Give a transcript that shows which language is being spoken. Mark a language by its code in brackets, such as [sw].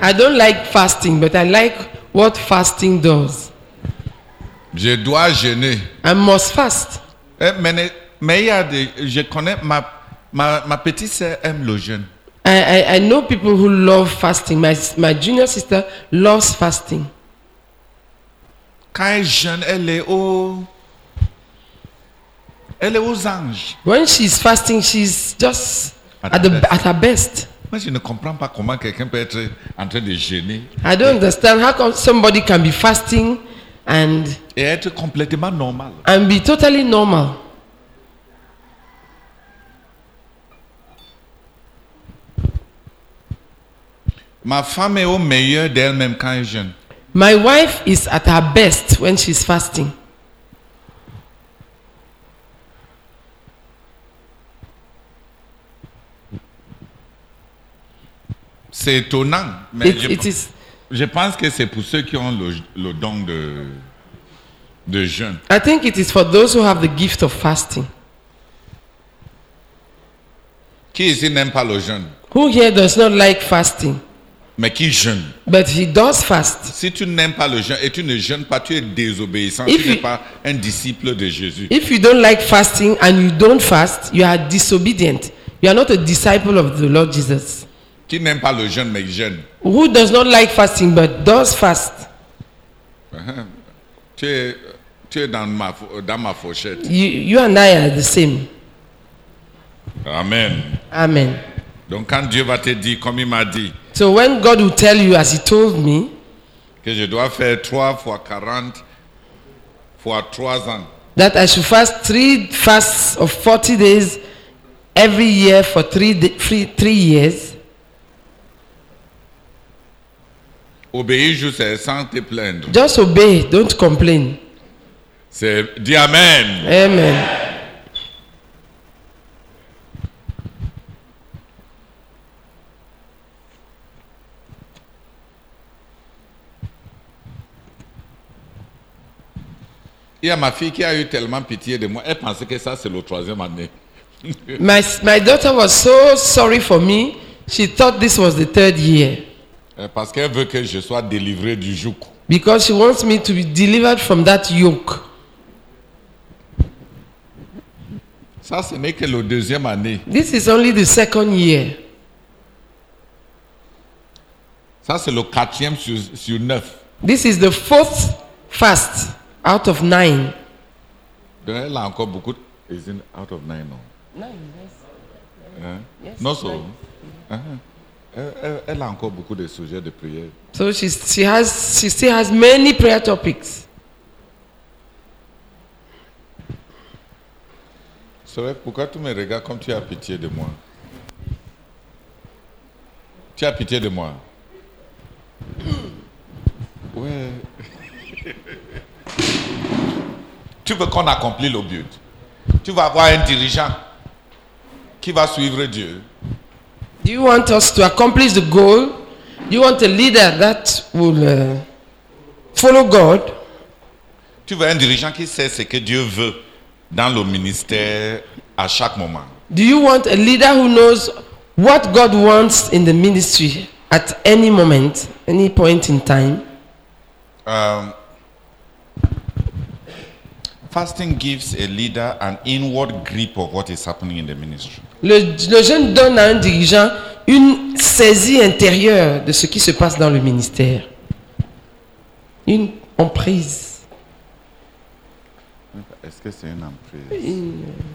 [en] I don't like fasting, but I like what fasting does. [fr] Je dois jeûner. [en] I must fast. [fr] Mais il y a des, je connais ma petite sœur aime le jeûne. [en] I know people who love fasting. My junior sister loves fasting. [fr] Quand elle jeûne, elle est aux anges. [en] When she's fasting, she's just at her best. [fr] Moi, je ne comprends pas comment quelqu'un peut être en train de jeûner. [en] I don't understand how come somebody can be fasting and [fr] et être complètement normal. [en] And be totally normal. [fr] Ma femme est au meilleur d'elle-même quand elle jeûne. [en] My wife is at her best when she's fasting. [fr] C'est étonnant, mais je pense que c'est pour ceux qui ont le don de jeûne. [en] I think it is for those who have the gift of fasting. [fr] Qui ici n'aime pas le jeûne? [en] Who here does not like fasting? [fr] Mais qui jeûne? [en] But he does fast. [fr] Si tu n'aimes pas le jeûne et tu ne jeûnes pas, tu es désobéissant. If tu n'es pas un disciple de Jésus. [en] If you don't like fasting and you don't fast, you are disobedient. You are not a disciple of the Lord Jesus. [fr] Qui n'aime pas le jeûne mais jeûne? [en] Who does not like fasting but does fast? [fr] Tu es dans ma fourchette. [en] You and I are the same. Amen. Amen. [fr] Donc quand Dieu va te dire comme il m'a dit. [en] So when God will tell you as he told me [fr] que je dois faire 3 fois 40 fois 3 ans. [en] That I should fast 3 fasts of 40 days every year for 3 years. [fr] Obéis juste sans te plaindre. [en] Just obey, don't complain. [fr] C'est dis amen. [en] Amen. [fr] Il y a ma fille qui a eu tellement pitié de moi. Elle pensait que ça c'est le troisième année. [en] My daughter was so sorry for me. She thought this was the third year. [fr] Parce qu'elle veut que je sois délivré du joug. [en] Because she wants me to be delivered from that yoke. [fr] Ça ce n'est que le deuxième année. [en] This is only the second year. [fr] Ça c'est le quatrième sur neuf. [en] This is the fourth fast. Out of 9. [fr] Donc elle a encore beaucoup. [en] Is it out of 9 now? 9, yes. Hein? Yes. Non, so. [fr] Elle a encore beaucoup de sujets de prière. [en] So she still has many prayer topics. [fr] So pourquoi tu me regardes comme tu as pitié de moi? Tu as pitié de moi? Ouais. Tu veux qu'on accomplisse le but. Tu vas avoir un dirigeant qui va suivre Dieu. [en] Do you want us to accomplish the goal? You want a leader that will follow God? [fr] Tu veux un dirigeant qui sait ce que Dieu veut dans le ministère à chaque moment. [en] Do you want a leader who knows what God wants in the ministry at any moment, any point in time? Fasting gives a leader an inward grip of what is happening in the ministry. [fr] Le jeûne donne à un dirigeant une saisie intérieure de ce qui se passe dans le ministère. Une emprise. Est-ce que c'est une emprise?